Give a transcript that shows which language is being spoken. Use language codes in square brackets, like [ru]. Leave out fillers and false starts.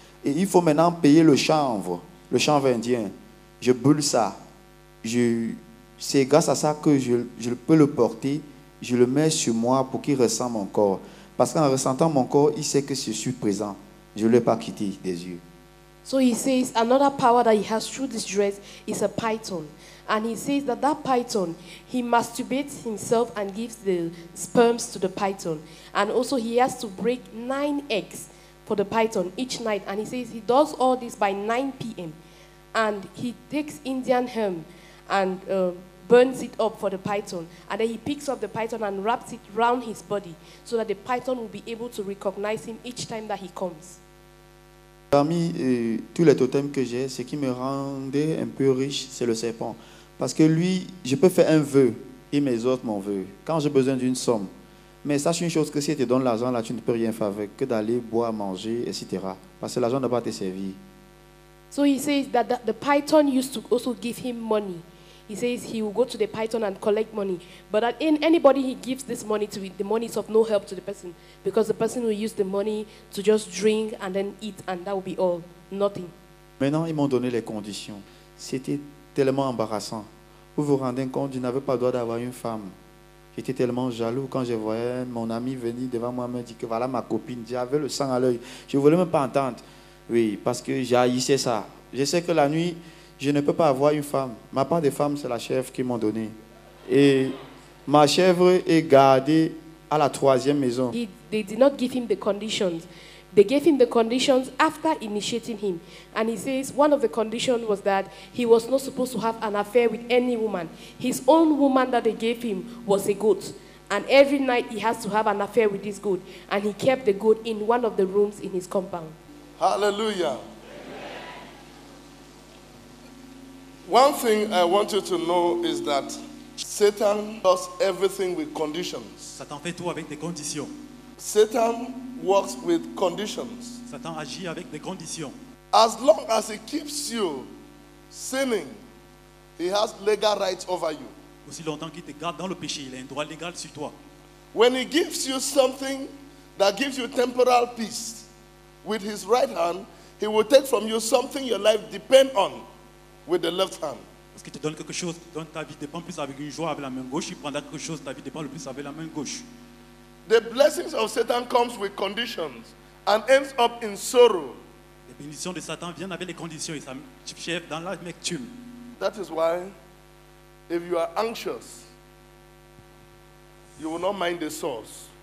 [fr] Et il faut maintenant payer le chanvre indien. Je brûle ça. C'est grâce à ça que je peux le porter. Je le mets sur moi pour qu'il ressente mon corps. Parce qu'en ressentant mon corps, il sait que je suis présent. Je ne l'ai pas quitté des yeux. [en] So he says another power that he has through this dress is a python. And he says that that python, he masturbates himself and gives the sperms to the python. And also he has to break 9 eggs for the python each night. And he says he does all this by 9 p.m. And he takes Indian hemp and burns it up for the python. And then he picks up the python and wraps it around his body so that the python will be able to recognize him each time that he comes. [fr] Parmi tous les totems que j'ai, ce qui me rendait un peu riche, c'est le serpent. Parce que lui, je peux faire un vœu et mes autres m'en veulent. Quand j'ai besoin d'une somme. Mais sache une chose, que si je te donne l'argent, là, tu ne peux rien faire avec que d'aller boire, manger, etc. Parce que l'argent ne va pas te servir. [en] So he says that the python used to also give him money. He says he will go to the python and collect money. But that in anybody he gives this money to, the money is of no help to the person. Because the person will use the money to just drink and then eat and that will be all. Nothing. [fr] Maintenant, ils m'ont donné les conditions. C'était tellement embarrassant. Vous vous rendez compte, je n'avais pas le droit d'avoir une femme. J'étais tellement jaloux quand je voyais mon ami venir devant moi, me dire que voilà ma copine. J'avais le sang à l'œil. Je ne voulais même pas entendre. Oui, parce que j'haïssais ça. Je sais que la nuit, je ne peux pas avoir une femme. Ma part de femme, c'est la chèvre qui m'ont donné. Et ma chèvre est gardée à la troisième maison. [en] They did not give him the conditions. They gave him the conditions after initiating him. And he says one of the conditions was that he was not supposed to have an affair with any woman. His own woman that they gave him was a goat. And every night he has to have an affair with this goat. And he kept the goat in one of the rooms in his compound. Hallelujah. One thing I want you to know is that Satan does everything with conditions. [fr] Satan fait tout avec des conditions. [en] Satan works with conditions. [fr] Satan agit avec des conditions. [en] As long as he keeps you sinning, he has legal rights over you. [fr] Aussi longtemps qu'il te garde dans le péché, il a un droit légal sur toi. [en] When he gives you something that gives you temporal peace, with his right hand, he will take from you something your life depends on. With the left hand. [fr] Parce qu'il te donne quelque chose dont ta vie dépend plus avec une joie avec la main gauche, il prendra quelque chose ta vie dépend le plus avec la main gauche. [en] The blessings of Satan comes with conditions and ends up in sorrow. [fr] Les bénédictions de Satan viennent avec les conditions et ça chef dans la mectume. [en] That is why if you are anxious you will not mind the source.